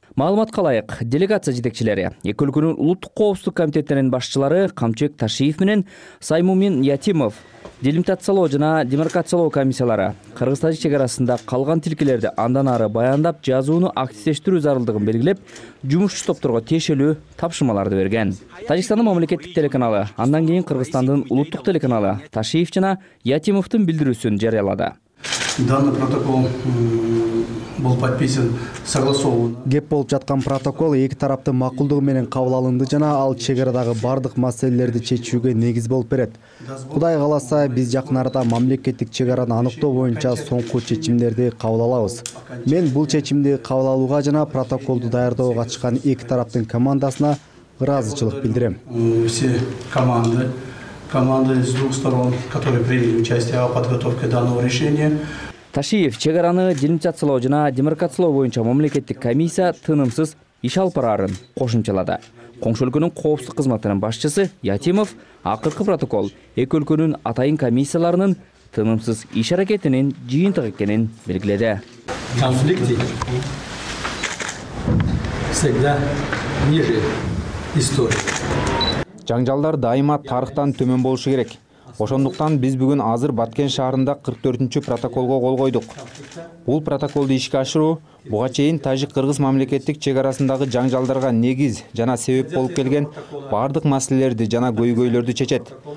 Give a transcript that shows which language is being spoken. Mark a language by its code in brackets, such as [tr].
[ky] Маалыматка ылайык, делегация жетекчилери, эки өлкөнүн улуттук коопсуздук комитеттеринин башчылары Камчыбек Ташиев менен Саймумин Ятимов, делимитациялоо жана демаркациялоо комиссиялары Кыргыз-Тажик чек арасында калган тилкелерди андан ары баяндап жазууну активдештирүү зарылдыгын белгилеп, жумушчу топторго тиешелүү тапшырмаларды берген. Тажикстандын мамлекеттик телеканалы, андан кийин Кыргызстандын улуттук телеканалы Ташиев жана Ятимовдун билдирүүсүн жарыялады. [ru] Данный протокол был подписан согласованно. [ky] Кеп болуп жаткан протокол эки тараптын макулдугу менен кабыл алынды жана ал чек арадагы бардык маселелерди чечүүгө негиз болуп берет. Кудай кааласа, биз жакын арада мамлекеттик чек араны аныктоо боюнча соңку чечимдерди кабыл алабыз. Мен бул чечимди кабыл алууга жана протоколду даярдоого катышкан эки тараптын командасына ыраазычылык билдирем. [ru] Все команды с двух сторон, которые приняли участие в подготовке данного решения. [ky] Ташиев чек араны делимитациялоо жана демаркациялоо боюнча мамлекеттик комиссия тынымсыз иш алып барарын кошумчалады. Коңшу өлкөнүн коопсуздук кызматынын башчысы Ятимов акыркы протокол эки өлкөнүн атайын комиссияларынын тынымсыз иш аракетинин жыйынтыгы экенин белгиледи. [ru] Конфликт всегда ниже истории. [ky] Жаңжалдар дайыма тарыхтан төмөн болушу керек. Ошондуктан биз бүгүн азыр Баткен шаарында 44-чү протоколго кол койдук. Бул протоколду ишке ашыруу буга чейин тажик кыргыз мамлекеттик чек арасындагы жаңжалдарга негиз жана себеп болуп келген бардык маселелерди жана көйгөйлөрдү чечет.